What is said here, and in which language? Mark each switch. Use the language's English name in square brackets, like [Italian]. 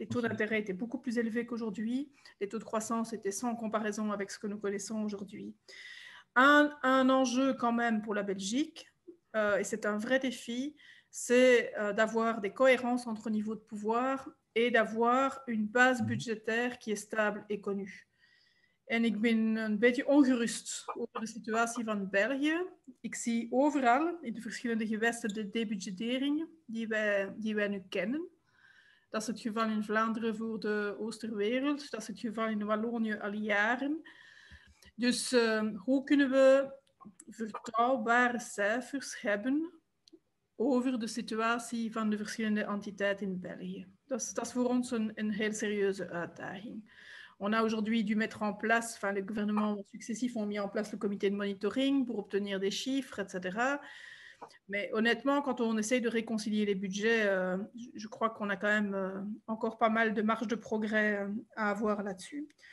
[French] Les taux d'intérêt étaient beaucoup plus élevés qu'aujourd'hui. Les taux de croissance étaient sans comparaison avec ce que nous connaissons aujourd'hui. Un enjeu quand même pour la Belgique, et c'est un vrai défi, c'est d'avoir des cohérences entre niveaux de pouvoir et d'avoir une base budgétaire qui est stable et connue. [Dutch] En ik ben een beetje ongerust over de situatie van België. Ik zie overal in de verschillende gewesten de debudgettering die wij nu kennen. Dat is het geval in Vlaanderen voor de Oosterwereld. Dat is het geval in Wallonië al jaren. Dus hoe kunnen we vertrouwbare cijfers hebben over de situatie van de verschillende entiteiten in België? Dat is voor ons een heel serieuze uitdaging. [French] On a aujourd'hui dû mettre en place, enfin les gouvernements successifs ont mis en place le comité de monitoring pour obtenir des chiffres, etc. Mais honnêtement, quand on essaye de réconcilier les budgets, je crois qu'on a quand même encore pas mal de marge de progrès à avoir là-dessus.